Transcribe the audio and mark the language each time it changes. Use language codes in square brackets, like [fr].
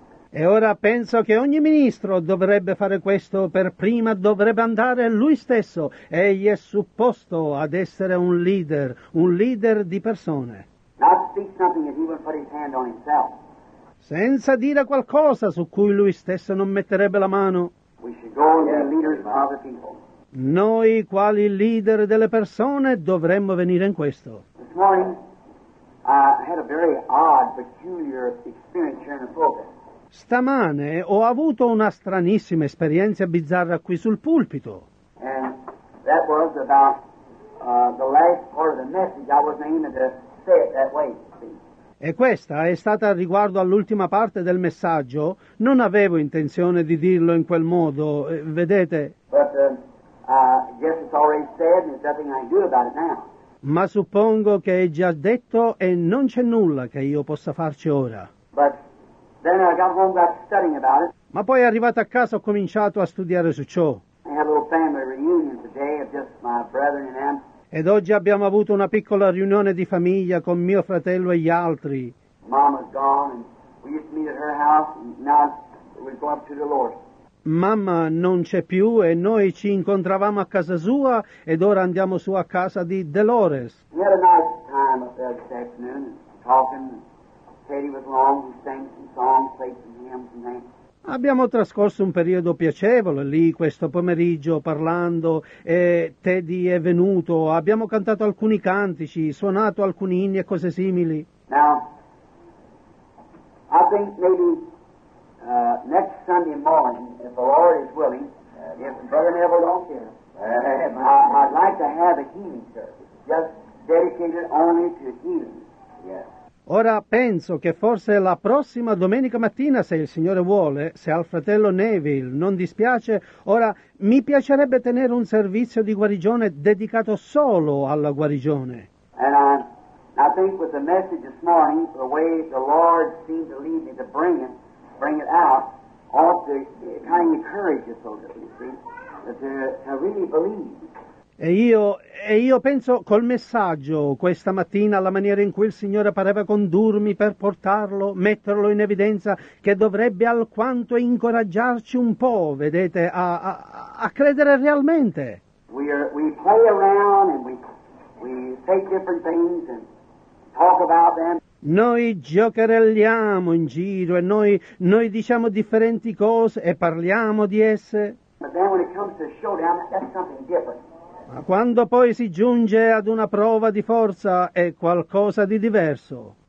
[it] E ora penso che ogni ministro dovrebbe fare questo, per prima dovrebbe andare lui stesso. Egli è supposto ad essere un leader di persone. [en] Not speak something if he would put his hand on himself. [it] Senza dire qualcosa su cui lui stesso non metterebbe la mano. [en] We should go and be leaders of other people. [it] Noi, quali leader delle persone, dovremmo venire in questo. [en] This morning, I had a very odd, peculiar experience here in the pulpit. [it] Stamane ho avuto una stranissima esperienza bizzarra qui sul pulpito. [en] And that was about the last part of the message I was aiming to say it that way. [it] E questa è stata riguardo all'ultima parte del messaggio. Non avevo intenzione di dirlo in quel modo, vedete. [en] But it's already said and there's nothing I can do about it now. [it] Ma suppongo che è già detto e non c'è nulla che io possa farci ora. [en] But then I got home, got studying about it. [it] Ma poi arrivato a casa ho cominciato a studiare su ciò. [en] I had a little family reunion today of just my brother and them. [it] Ed oggi abbiamo avuto una piccola riunione di famiglia con mio fratello e gli altri. [en] Mama's gone and we used to meet at her house and now we go up to the Lord. [it] Mamma non c'è più e noi ci incontravamo a casa sua ed ora andiamo su a casa di Dolores. [en] We had a nice time up there this afternoon talking. Katie was long, we sang some songs, played some hymns and things. [it] Abbiamo trascorso un periodo piacevole lì questo pomeriggio parlando e Teddy è venuto, abbiamo cantato alcuni cantici, suonato alcuni inni e cose simili. [en] Now, I think maybe next Sunday morning, if the Lord is willing, if Brother Neville don't care, I'd like to have a healing service, just dedicated only to healing. Yes. [it] Ora penso che forse la prossima domenica mattina, se il Signore vuole, se al fratello Neville non dispiace, ora mi piacerebbe tenere un servizio di guarigione dedicato solo alla guarigione. [en] And I think with the message this morning, the way the Lord seemed to lead me to bring it out, ought to kind of encourage us a little bit, you see, to really believe. [it] E io penso col messaggio questa mattina, alla maniera in cui il Signore pareva condurmi per portarlo, metterlo in evidenza, che dovrebbe alquanto incoraggiarci un po', vedete, a credere realmente. [en] We play around and we take different things and talk about them. [it] Noi giocherelliamo in giro e noi diciamo differenti cose e parliamo di esse. [en] But then when it comes to showdown, that's something different. [it] Ma quando poi si giunge ad una prova di forza è qualcosa di diverso.